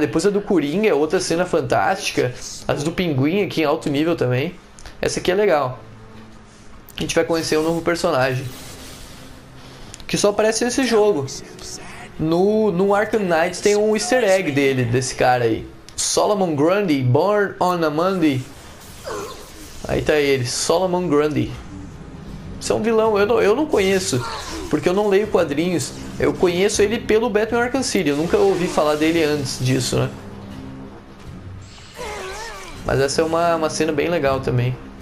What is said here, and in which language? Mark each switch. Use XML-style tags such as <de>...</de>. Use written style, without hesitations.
<pt>Depois a do Coringa é outra cena fantástica. As do Pinguim aqui em alto nível também. Essa aqui é legal. A gente vai conhecer um novo personagem que só aparece nesse jogo. No Arkham Knight tem um easter egg dele, desse cara aí.</pt> <en>Solomon Grundy, born on a Monday.</en> <pt>Aí tá ele, Solomon Grundy. Esse é um vilão, eu não conheço, porque eu não leio quadrinhos. Eu conheço ele pelo Batman Arkham City, eu nunca ouvi falar dele antes disso, né? Mas essa é uma cena bem legal também.</pt>